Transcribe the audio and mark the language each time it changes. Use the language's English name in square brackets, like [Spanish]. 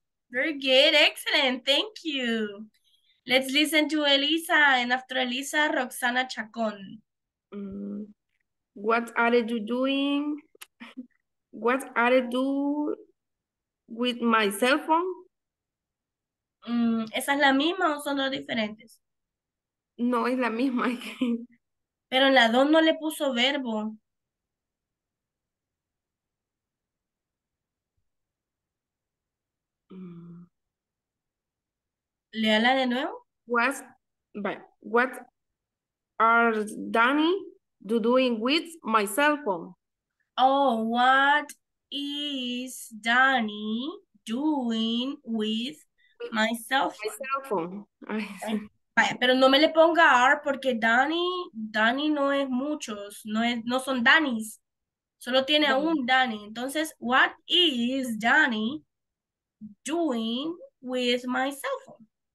[English] Very good, excellent, thank you. Let's listen to Elisa, and after Elisa, Roxana Chacon. What are you doing? What are you doing with my cell phone? [Spanish] ¿Esa es la misma o son dos diferentes? No, es la misma. Pero en la dos no le puso verbo. Léala de nuevo. [English] What are Danny doing with my cell phone? Oh, what is Danny doing with my cell phone? My cell phone. [Spanish] Vaya, pero no me le ponga R porque Danny no es muchos, no son Danny's. Solo tiene a un Danny. [English] Entonces, what is Danny doing with my cell phone?